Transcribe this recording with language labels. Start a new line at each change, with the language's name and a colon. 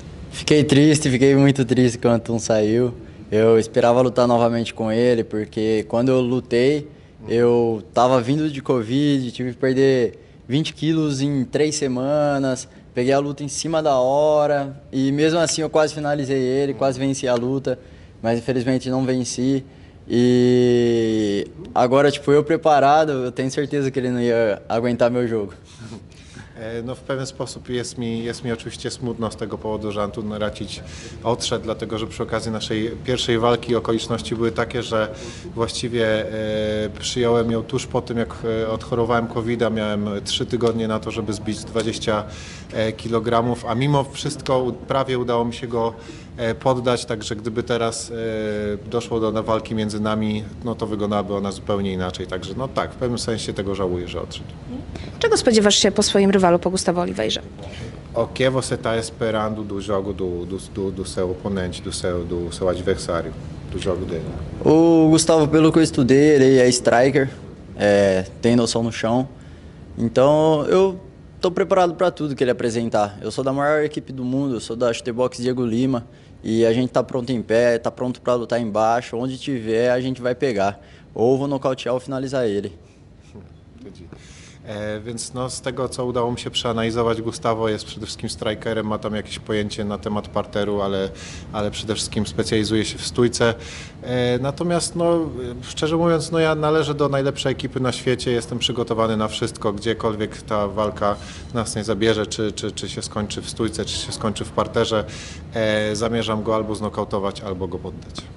Portuguese: Fiquei muito triste quando o Antun saiu. Eu esperava lutar novamente com ele, porque quando eu lutei, eu estava vindo de Covid, tive que perder 20 quilos em 3 semanas, peguei a luta em cima da hora, e mesmo assim eu quase finalizei ele, quase venci a luta, mas infelizmente não venci. E agora, tipo, eu preparado, eu tenho certeza que ele não ia aguentar meu jogo.
Polish: No, w pewien sposób jest mi oczywiście smutno z tego powodu, że Antun Racic odszedł, dlatego że przy okazji naszej pierwszej walki okoliczności były takie, że właściwie przyjąłem ją tuż po tym, jak odchorowałem COVID-a. Miałem 3 tygodnie na to, żeby zbić 20 kg, a mimo wszystko prawie udało mi się go poddać, także gdyby teraz doszło do walki między nami, no to wyglądałaby ona zupełnie inaczej. Także no tak, w pewnym sensie tego żałuję, że odszedł. Czego spodziewasz się po swoim rywalu, po Gustavo Oliveira?
Portuguese: O que você está esperando do jogo do seu oponente, do seu adversário, do jogo dele? O Gustavo, pelo que eu estudei, ele é striker, tem noção no chão. Então, eu estou preparado para tudo que ele apresentar. Eu sou da maior equipe do mundo, eu sou da Shooterbox Diego Lima. E a gente está pronto em pé, está pronto para lutar embaixo. Onde tiver, a gente vai pegar. Ou vou nocautear ou finalizar ele. Entendi.
Polish: Więc no, z tego, co udało mi się przeanalizować, Gustavo jest przede wszystkim strikerem, ma tam jakieś pojęcie na temat parteru, ale przede wszystkim specjalizuje się w stójce. Natomiast no, szczerze mówiąc, no, ja należę do najlepszej ekipy na świecie, jestem przygotowany na wszystko, gdziekolwiek ta walka nas nie zabierze, czy się skończy w stójce, czy się skończy w parterze, zamierzam go albo znokautować, albo go poddać.